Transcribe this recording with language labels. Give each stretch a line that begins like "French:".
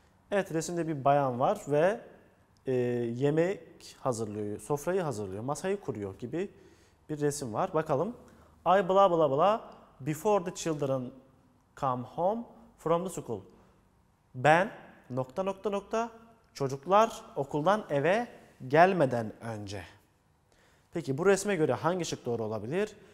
Turkish: Evet, resimde bir bayan var ve yemek hazırlıyor, sofrayı hazırlıyor, masayı kuruyor gibi bir resim var. Bakalım.
English: I blah blah blah before the children come home from the school.
Turkish: Ben nokta nokta nokta çocuklar okuldan eve gelmeden önce. Peki bu resme göre hangi şık doğru olabilir?